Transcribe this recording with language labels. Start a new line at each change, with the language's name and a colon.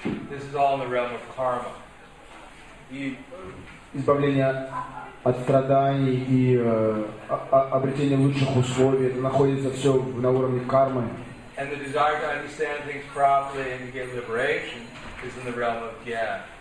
English: This is all in the realm of karma.
Russian: И избавление от страданий и обретение лучших условий. Это находится все на уровне кармы.
English: And the desire to understand things properly and to get liberation is in the realm of gyan.